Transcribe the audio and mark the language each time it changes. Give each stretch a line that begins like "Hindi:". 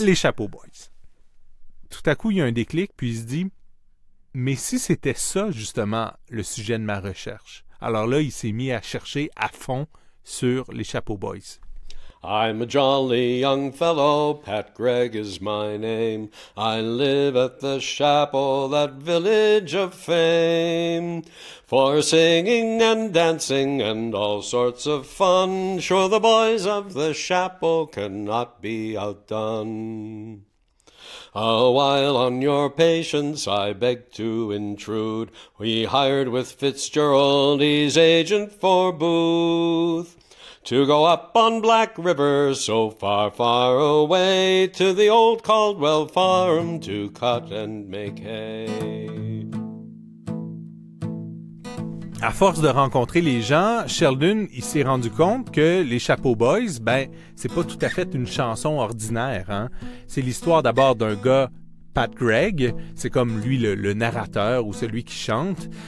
French: Les Chapeau Boys. Tout à coup, il y a un déclic, puis il se dit, mais si c'était ça, justement, le sujet de ma recherche? Alors là, il s'est mis à chercher à fond sur les Chapeau Boys.
English: I'm a jolly young fellow, Pat Gregg is my name. I live at the Chapeau, that village of fame. For singing and dancing and all sorts of fun, sure the boys of the Chapeau cannot be outdone. A while on your patience I beg to intrude, we hired with Fitzgerald, he's agent for Booth. To go up on Black River, so far, far away, to the old Caldwell farm, to cut and make hay.
French: À force de rencontrer les gens, Sheldon, il s'est rendu compte que les Chapeau Boys, ben, c'est pas tout à fait une chanson ordinaire, hein. C'est l'histoire d'abord d'un gars, Pat Gregg, c'est comme lui le narrateur ou celui qui chante.